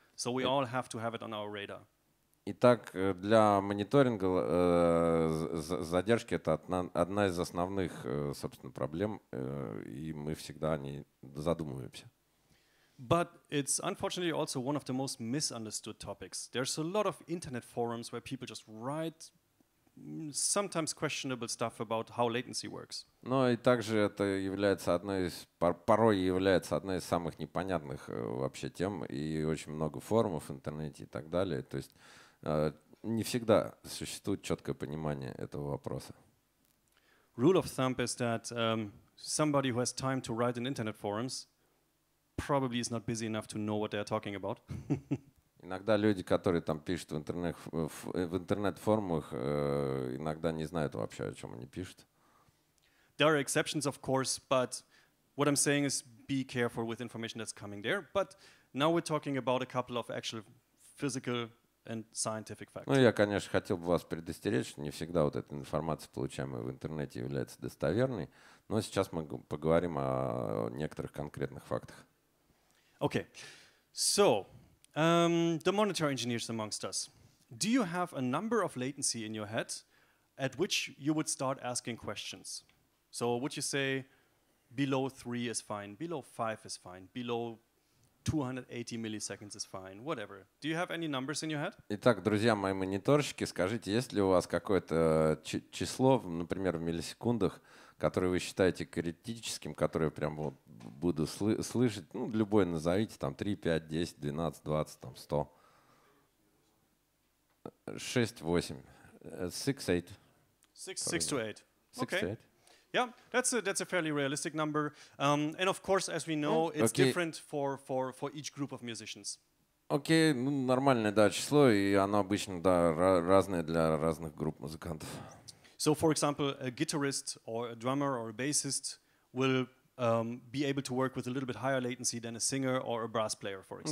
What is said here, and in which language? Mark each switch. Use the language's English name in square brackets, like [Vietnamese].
[English] So we all have to have it on our radar. [Russian] Итак, для мониторинга задержки — это одна из основных, собственно, проблем, и мы всегда о ней задумываемся. [English] But it's unfortunately also one of the most misunderstood topics. There's a lot of internet forums where people just write sometimes questionable stuff about how latency works. [Russian] Но и также это является одной из порой является одной из самых непонятных вообще тем, и очень много форумов в интернете и так далее. То есть не всегда существует четкое понимание этого вопроса. [English] Rule of thumb is that somebody who has time to write in internet forums probably is not busy enough to know what they're talking about. [Russian] Иногда люди, которые там пишут в интернет-форумах, иногда не знают вообще, о чем они пишут. [English] There are exceptions, of course, but what I'm saying is be careful with information that's coming there. But now we're talking about a couple of actual physical and scientific facts. [Russian] Ну, я, конечно, хотел бы вас предостеречь, что не всегда вот эта информация, получаемая в интернете, является достоверной. Но сейчас мы поговорим о некоторых конкретных фактах. [English] Okay. So, the monitor engineers amongst us. Do you have a number of latency in your head at which you would start asking questions? So would you say below 3 is fine, below 5 is fine, below 280 milliseconds is fine, whatever. Do you have any numbers in your head? [Russian] Итак, друзья мои мониторщики, скажите, есть ли у вас какое-то число, например, в миллисекундах, которое вы считаете критическим, которое прям вот буду слышать, ну, любой назовите, там 3, 5, 10, 12, 20, там 100. [English] 6, 8. 6, 8. 6 to 8. 6 okay. to 8. Yeah, that's a fairly realistic number. And of course, as we know, it's okay. different for each group of musicians. [Russian] Okay, ну, нормальное, да, число, и оно обычно, да, разное для разных групп музыкантов. [English] So, for example, a guitarist or a drummer or a bassist will be able to work with a little bit higher latency than a singer or a brass player, for example.